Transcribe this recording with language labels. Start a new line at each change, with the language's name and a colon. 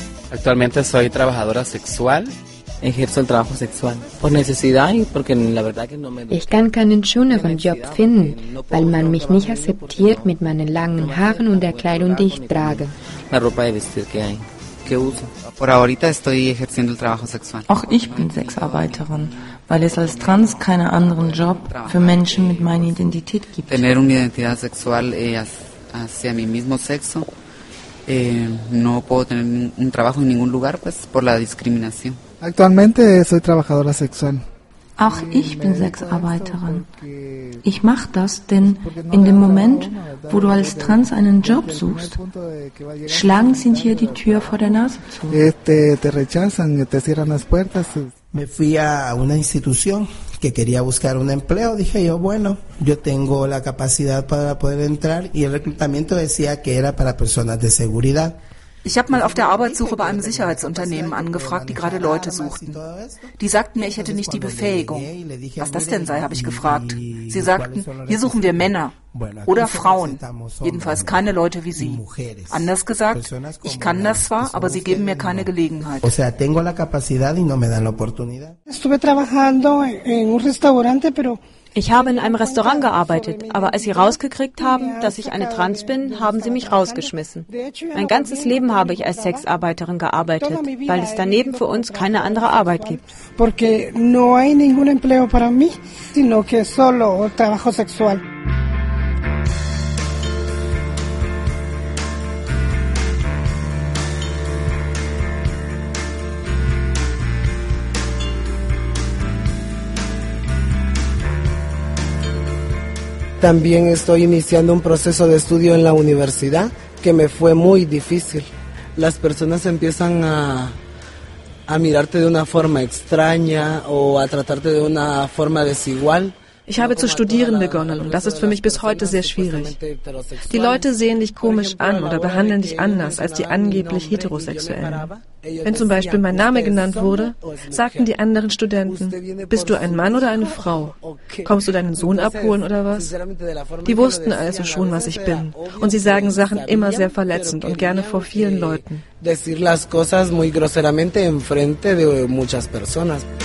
Spanish: Actualmente soy trabajadora sexual. Ejerzo el trabajo sexual por necesidad y porque la verdad que no me.
German: Ich kann keinen schöneren Job finden, weil man mich nicht akzeptiert mit meinen langen Haaren und der Kleidung, die ich trage.
Spanish: La ropa de vestir que hay. ¿Qué uso? Por ahorita estoy ejerciendo el trabajo sexual.
German: Auch ich bin Sexarbeiterin, weil es als Trans keinen anderen Job für Menschen mit meiner Identität gibt.
Spanish: Tener una identidad sexual hacia mi mismo sexo. No puedo tener un trabajo en ningún lugar, pues, por la discriminación. Actualmente soy trabajadora sexual.
German: Auch ich bin Sexarbeiterin. Ich mache das, denn in dem Moment, wo du als Trans einen Job suchst, schlagen sie dir die Tür vor der Nase zu.
Spanish: Te rechazan, te cierran las puertas. Me fui a una institución que quería buscar un empleo. Dije yo, bueno, yo tengo la capacidad para poder entrar y el reclutamiento decía que era para personas de seguridad.
German: Ich habe mal auf der Arbeitssuche bei einem Sicherheitsunternehmen angefragt, die gerade Leute suchten. Die sagten mir, ich hätte nicht die Befähigung. Was das denn sei, habe ich gefragt. Sie sagten, hier suchen wir Männer oder Frauen, jedenfalls keine Leute wie Sie. Anders gesagt, ich kann das zwar, aber Sie geben mir keine Gelegenheit.
Spanish: O sea, tengo la capacidad y no me dan la oportunidad. Estuve trabajando en un restaurante, pero...
German: Ich habe in einem Restaurant gearbeitet, aber als sie rausgekriegt haben, dass ich eine Trans bin, haben sie mich rausgeschmissen. Mein ganzes Leben habe ich als Sexarbeiterin gearbeitet, weil es daneben für uns keine andere Arbeit gibt.
Spanish: Porque no hay ningún empleo para mí, sino que solo trabajo sexual. También estoy iniciando un proceso de estudio en la universidad que me fue muy difícil. Las personas empiezan a mirarte de una forma extraña o a tratarte de una forma desigual.
German: Ich habe zu studieren begonnen und das ist für mich bis heute sehr schwierig. Die Leute sehen dich komisch an oder behandeln dich anders als die angeblich Heterosexuellen. Wenn zum Beispiel mein Name genannt wurde, sagten die anderen Studenten, bist du ein Mann oder eine Frau? Kommst du deinen Sohn abholen oder was? Die wussten also schon, was ich bin. Und sie sagen Sachen immer sehr verletzend und gerne vor vielen Leuten.
Spanish: Decir las cosas muy groseramente en frente de muchas personas.